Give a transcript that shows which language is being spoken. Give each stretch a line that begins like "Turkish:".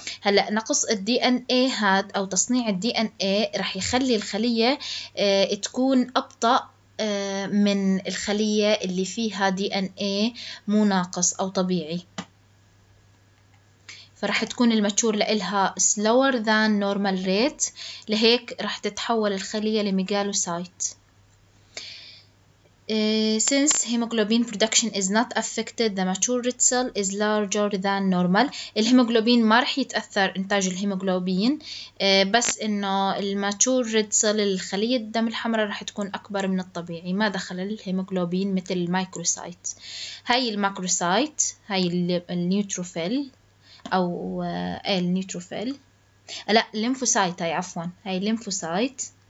Arabic: هلا نقص الدي ان اي هاد او تصنيع الدي ان اي رح يخلي الخليه تكون ابطا من الخلية اللي فيها DNA مو ناقص أو طبيعي، فرح تكون الماتشور لإلها
English: slower than normal rate،
Arabic: لهيك رح تتحول الخلية لميجالوسايت.
English: Since hemoglobin production is not affected, the mature red cell is larger than normal.
Arabic: الهيموغلوبين ما رح يتأثر إنتاج الهيموغلوبين، بس إنه الماتشور ريد سيل الخلية الدم الحمراء رح تكون أكبر من الطبيعي، ما دخل الهيموغلوبين مثل المايكروسايت. هاي الماكروسايت، هاي النيوتروفيل أو النيوتروفيل، لا الليمفوسايت، هاي عفوا هاي الليمفوسايت.